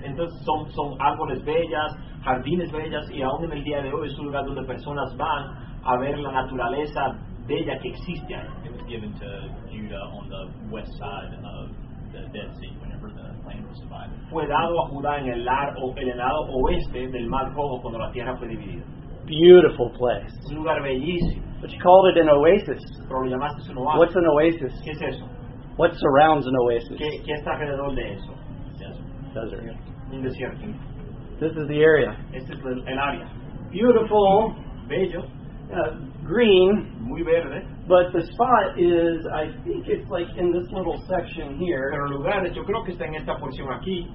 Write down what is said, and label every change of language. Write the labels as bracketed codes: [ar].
[es] Entonces son árboles bellas, jardines bellas, y aún en el día de hoy es un lugar donde personas van a ver la naturaleza bella que existe ahí. [en] It was given to Judah on the west side of the Dead Sea whenever the land was divided. [es] Fue dado a Judá en el lado oeste del Mar Rojo cuando la tierra fue dividida. [en] Beautiful place. [es] Un lugar bellísimo. [en] But you called it an oasis. [es] Pero lo llamaste un oasis. [en] What's an oasis? [es] ¿Qué es eso? [en] What surrounds an oasis? [es] ¿Qué está alrededor de eso? [en] Desert. This is the area. [es] Este es el área. [en] Beautiful. [es] Bello. [en] Green. [es] Muy verde. [en] But the spot is, I think it's like in this little section here. [es] Pero el lugar, yo creo que está en esta porción aquí.